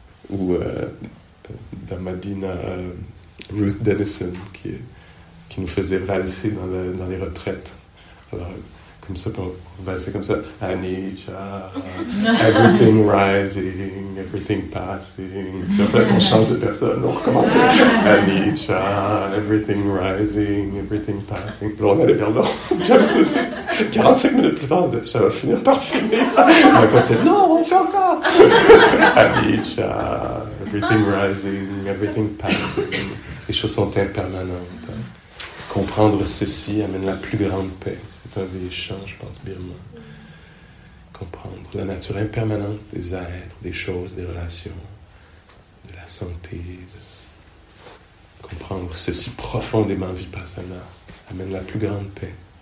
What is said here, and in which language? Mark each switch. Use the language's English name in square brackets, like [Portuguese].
[French] ou Damadina Ruth Dennison qui nous faisait valser dans les retraites. Alors, comme ça, pour valser comme ça. [English] Anicca, everything rising, everything passing. [French] Enfin, on change de personne, on recommence. [English] Anicca, everything rising, everything passing. [French] Puis on allait vers l'autre. 45 minutes plus tard, ça va finir par finir. On continue. Non, on fait encore. [English] Anicca, everything rising, everything passing. [French] Les choses sont impermanentes. Comprendre ceci amène la plus grande paix. C'est un des chants, je pense, birman. Comprendre la nature impermanente des êtres, des choses, des relations, de la santé. Comprendre ceci profondément, vipassana, amène la plus grande paix.